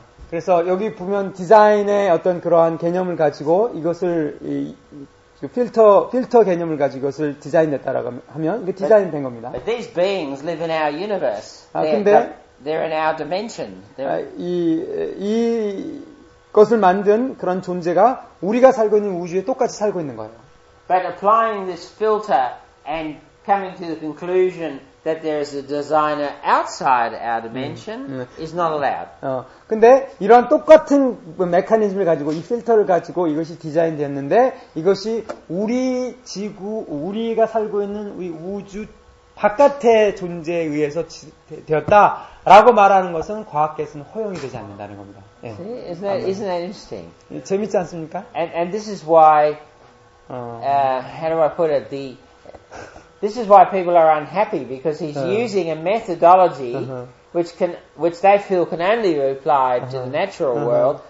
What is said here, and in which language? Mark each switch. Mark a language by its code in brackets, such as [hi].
[ko] 그래서 여기 보면 디자인의 어떤 그러한 개념을 가지고 이것을 필터 개념을 가지고 이것을 디자인했다라고 하면 이게 디자인 된 겁니다. [en] But these beings live in our universe. They're in our dimension. [ko] 이 것을 만든 그런 존재가 우리가 살고 있는 우주에 똑같이 살고 있는 거예요. [en] But applying this filter and coming to the conclusion that there is a designer outside our dimension is not allowed. [ko] 근데 이러한 똑같은 메커니즘을 가지고 이 필터를 가지고 이것이 디자인되었는데 이것이 우리 지구 우리가 살고 있는 우리 우주 바깥의 존재에 의해서 되었다라고 말하는 것은 과학계에서는 허용이 되지 않는다는 겁니다. 예. [en] See, isn't that interesting? [ko] 재밌지 않습니까? [en] And this is why, how do I put it? This is why people are unhappy because he's using a methodology which they feel can only be applied to the natural world.